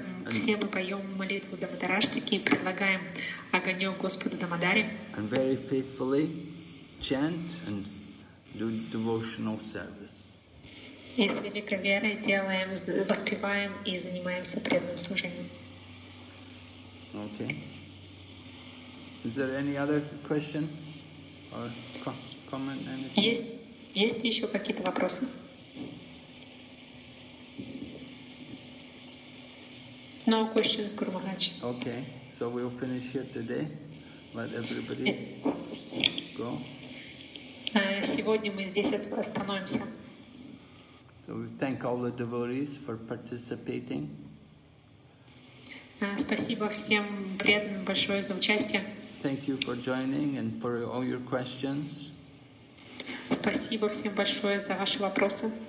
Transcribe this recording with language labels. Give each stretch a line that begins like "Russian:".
Russian: Все мы поем молитву Дамодараштики и предлагаем огонек Господу Дамодаре.
English: And very faithfully chant and do devotional service.
Russian: И с великой верой делаем, воспеваем и занимаемся преданным служением.
English: Okay. Is there any other question or comment?
Russian: Есть еще какие-то вопросы?
English: No questions, Guru Maharaj. Okay, so we'll finish here today. Let everybody go.
Russian: Сегодня мы здесь остановимся.
English: So we thank all the devotees for participating.
Russian: Спасибо всем преданным большое за участие.
English: Thank you for joining and for all your questions.
Russian: Спасибо всем большое за ваши вопросы.